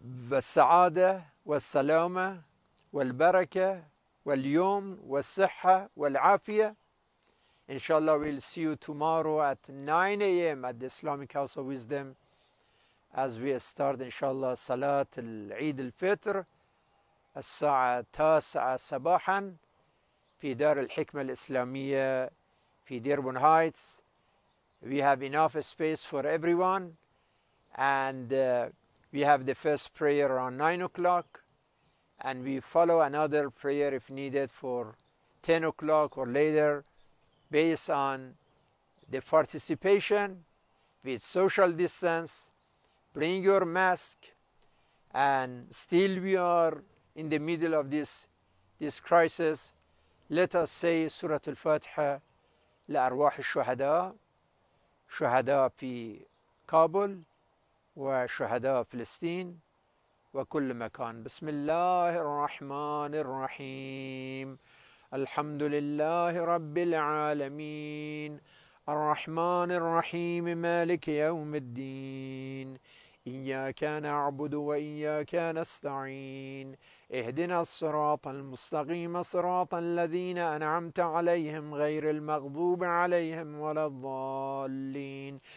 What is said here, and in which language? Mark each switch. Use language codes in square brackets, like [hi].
[ar] والسعادة والسلامة والبركة واليوم والصحة والعافية. [en] Inshallah, we'll see you tomorrow at 9 a.m. at the Islamic House of Wisdom as we start, inshallah, Salat al-Eid al-Fitr [ar] الساعة 9 صباحا في دار الحكمة الإسلامية في [en] Dearborn Heights. We have enough space for everyone, and we have the first prayer around 9 o'clock, and we follow another prayer if needed for 10 o'clock or later, based on the participation with social distance, bring your mask, and still we are in the middle of this crisis. Let us say Surah Al-Fatiha [ar] لأرواح الشهداء, شهداء في كابل وشهداء فلسطين وكل مكان. بسم الله الرحمن الرحيم. الحمد لله رب العالمين, الرحمن الرحيم, مالك يوم الدين, إياك نعبد وإياك نستعين, اهدنا الصراط المستقيم, صراط الذين أنعمت عليهم غير المغضوب عليهم ولا الضالين.